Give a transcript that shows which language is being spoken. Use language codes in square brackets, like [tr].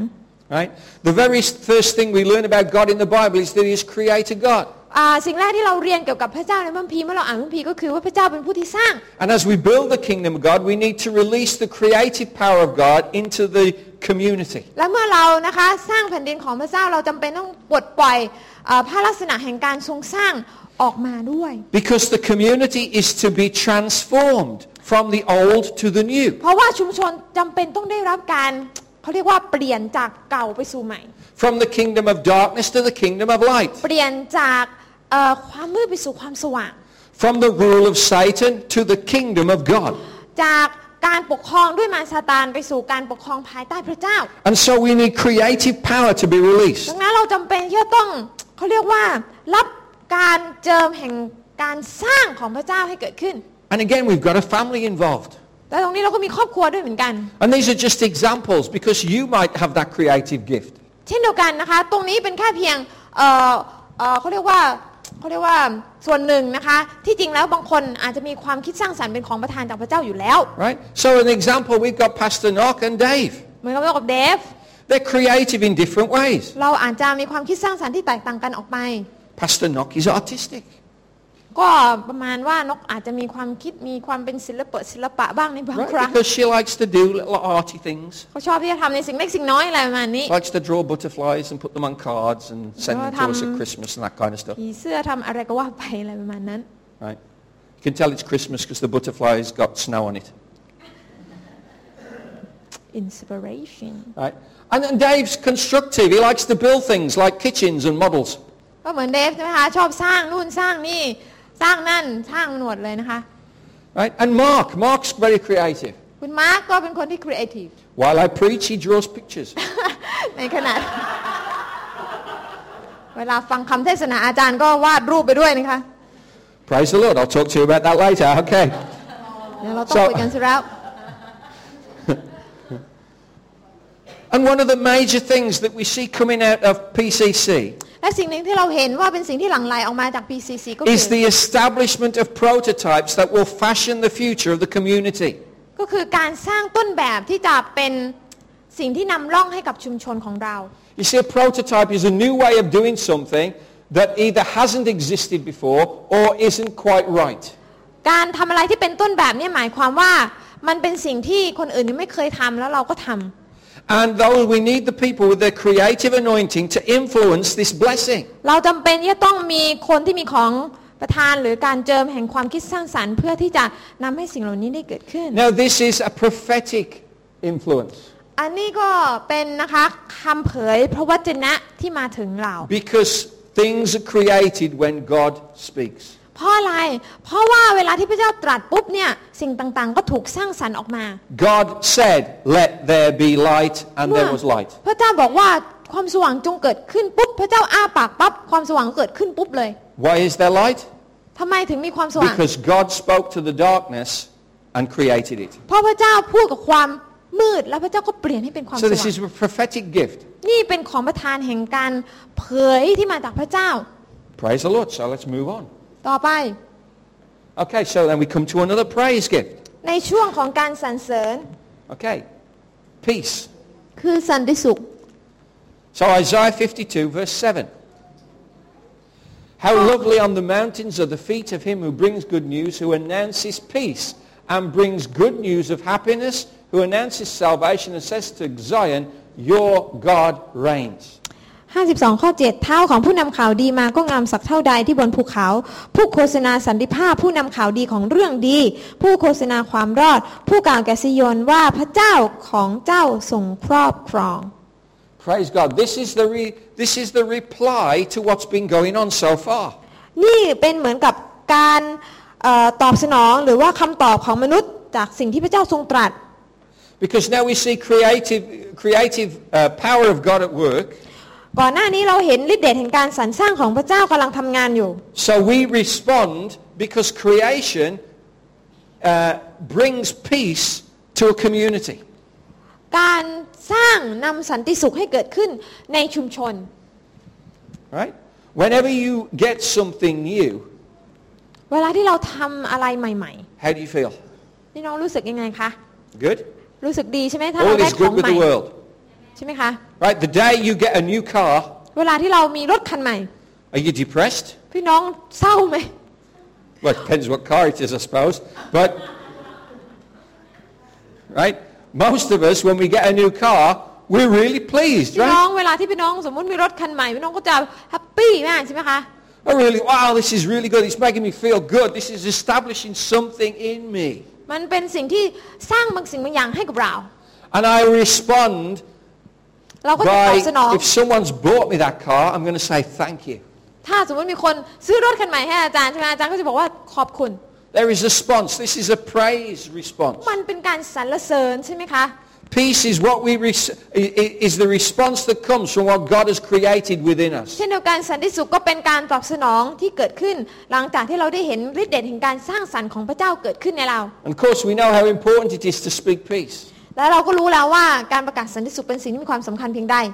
[en] Right the very first thing we learn about God in the Bible is that He is Creator God [th] สิ่งแรกที่เราเรียนเกี่ยวกับพระเจ้าในพระคัมภีร์เมื่อเราอ่านพระคัมภีร์ก็คือว่าพระเจ้าเป็นผู้ที่สร้าง [en] And as we build the kingdom of God we need to release the creative power of God into the community [th] และเมื่อเรานะคะสร้างแผ่นดินของพระเจ้าเราจำเป็นต้องปลดปล่อยพระลักษณะแห่งการทรงสร้างออกมาด้วย [en] Because the community is to be transformed from the old to the new [th] เพราะว่าชุมชนจำเป็นต้องได้รับการเขาเรียกว่าเปลี่ยนจากเก่าไปสู่ใหม่ [en] From the kingdom of darkness to the kingdom of light [th] เปลี่ยนจากความมืดไปสู่ความสว่าง [en] From the rule of Satan to the kingdom of God [th] จากการปกครองด้วยมารซาตานไปสู่การปกครองภายใต้พระเจ้า [en] And so we need creative power to be released [th] ดังนั้นเราจำเป็นที่จะต้องเขาเรียกว่ารับการเจิมแห่งการสร้างของพระเจ้าให้เกิดขึ้น [en] And again we've got a family involved [th] แต่ตรงนี้เราก็มีครอบครัวด้วยเหมือนกัน [en] And these are just examples because you might have that creative gift [th] เช่นเดียวกันนะคะตรงนี้เป็นแค่เพียงเขาเรียกว่าส่วนหนึ่งนะคะที่จริงแล้วบางคนอาจจะมีความคิดสร้างสรรค์เป็นของประทานจากพระเจ้าอยู่แล้ว [en] Right so an example we've got Pastor Nock and Dave [th] เหมือนกับเรากับเดฟ [en] They're creative in different ways [th] เราอาจจะมีความคิดสร้างสรรค์ที่แตกต่างกันออกไป [en] Pastor Nock is artistic [th] ก็ประมาณว่านกอาจจะมีความคิดมีความเป็นศิลปะบ้างในบางครั้ง [en] Right, because she likes to do little arty things [th] เขาชอบที่จะทำในสิ่งเล็กสิ่งน้อยอะไรประมาณนี้ [en] Likes to draw butterflies and put them on cards and send them to us at Christmas and that kind of stuff [th] ผีเสื้อทำอะไรก็ว่าไปอะไรประมาณนั้น [en] Right You can tell it's Christmas because the butterfly's got snow on it inspiration. Right. And Dave's constructive. He likes to build things like kitchens and models. [th] ก็เหมือนเดฟใช่ไหมคะชอบสร้างนู่นสร้างนี่สร้างนั่นสร้างหนวดเลยนะคะ [en] Right. And Mark's very creative. [th] คุณมาร์คก็เป็นคนที่ creative. [en] While I preach, he draws pictures. [th] ในขณะเวลาฟังคำเทศนาอาจารย์ก็วาดรูปไปด้วยนะคะ [en] Praise the Lord. I'll talk to you about that later. Okay. [th] เราต้องคุยกันสิแล้ว [en] And one of the major things that we see coming out of PCC. [th] และสิ่งหนึ่งที่เราเห็นว่าเป็นสิ่งที่หลั่งไหลออกมาจาก PCC ก็คือ [en] Is the establishment of prototypes that will fashion the future of the community. [th] ก็คือการสร้างต้นแบบที่จะเป็นสิ่งที่นำร่องให้กับชุมชนของเรา [en] You see, a prototype is a new way of doing something that either hasn't existed before or isn't quite right. [th] การทำอะไรที่เป็นต้นแบบนี่หมายความว่ามันเป็นสิ่งที่คนอื่นไม่เคยทำแล้วเราก็ทำ [en] And though we need the people with their creative anointing to influence this blessing. [th] เราจำเป็นที่ต้องมีคนที่มีของประทานหรือการเจิมแห่งความคิดสร้างสรรค์เพื่อที่จะนำให้สิ่งเหล่านี้ได้เกิดขึ้น [en] Now this is a prophetic influence. [th] อันนี้ก็เป็นนะคะคำเผยพระวจนะที่มาถึงเรา [en] Because things are created when God speaks. [th] เพราะอะไรเพราะว่าเวลาที่พระเจ้าตรัสปุ๊บเนี่ยสิ่งต่างๆก็ถูกสร้างสรรค์ออกมา [en] God said, "Let there be light," and there was light. [th] พระเจ้าบอกว่าความสว่างจงเกิดขึ้นปุ๊บพระเจ้าอ้าปากปั๊บความสว่างเกิดขึ้นปุ๊บเลย [en] Why is there light? [th] ทำไมถึงมีความสว่าง [en] Because God spoke to the darkness and created it. [th] เพราะพระเจ้าพูดกับความมืดแล้วพระเจ้าก็เปลี่ยนให้เป็นความสว่าง [en] So this is a prophetic gift. [th] นี่เป็นของประทานแห่งการเผยที่มาจากพระเจ้า [en] Praise the Lord. So let's move on. [th] ต่อไป [en] Okay, so then we come to another praise gift. [th] ในช่วงของการสรรเสริญ [en] Okay. Peace. [th] คือสันติสุข [en] So Isaiah 52 verse 7. How lovely on the mountains are the feet of him who brings good news, who announces peace and brings good news of happinessWho announces salvation and says to Zion, "Your God reigns." [th] 52 ข้อ 7 เท้าของผู้นำข่าวดีมาก็งามสักเท่าใดที่บนภูเขาผู้โฆษณาสันติภาพผู้นำข่าวดีของเรื่องดีผู้โฆษณาความรอดผู้กล่าวแก่ซิยอนว่าพระเจ้าของเจ้าทรงครอบครอง [en] Praise God. This is the reply to what's been going on so far. [th] นี่เป็นเหมือนกับการตอบสนองหรือว่าคำตอบของมนุษย์จากสิ่งที่พระเจ้าทรงตรัส [en] Because now we see creative power of God at work. [th] ก่อนหน้านี้เราเห็นฤทธิ์เดชแห่งการสรรสร้างของพระเจ้ากำลังทำงานอยู่ [en] So we respond because creation brings peace to a community. [th] การสร้างนำสันติสุขให้เกิดขึ้นในชุมชน [en] Right? Whenever you get something new. [th] เวลาที่เราทำอะไรใหม่ๆ [en] How do you feel? [th] นี่น้องรู้สึกยังไงคะ [en] Good. [th] รู้สึกดีใช่ไหมถ้าเราได้ของใหม่ใช่ไหมคะ [en] Right the day you get a new car [th] เวลาที่เรามีรถคันใหม่ [en] Are you depressed [th] พี่น้องเศร้าไหม [en] Well depends what car it is I suppose but right most of us when we get a new car we're really pleased [th] พี่น้องเวลาที่พี่น้องสมมติมีรถคันใหม่พี่น้องก็จะแฮปปี้มากใช่ไหมคะ [en] Oh really wow this is really good it's making me feel good this is establishing something in me [th] มันเป็นสิ่งที่สร้างบางสิ่งบางอย่างให้กับเรา [en] And I respond [th] เราก็ตอบสนอง [en] If someone's bought me that car I'm going to say thank you [th] ถ้าสมมติมีคนซื้อรถคันใหม่ให้อาจารย์ใช่ไหมอาจารย์ก็จะบอกว่าขอบคุณ [en] There is a response this is a praise response [th] มันเป็นการสรรเสริญใช่ไหมคะ [en] Peace is what we is the response that comes from what God has created within us [th] เช่นเดียวกันสันติสุขก็เป็นการตอบสนองที่เกิดขึ้นหลังจากที่เราได้เห็นฤทธิ์เดชแห่งการสร้างสรรค์ของพระเจ้าเกิดขึ้นในเรา [en] And of course we know how important it is to speak peace [th] และเราก็รู้แล้วว่าการประกาศสันติสุขเป็นสิ่งที่มีความสำคัญเพียงใด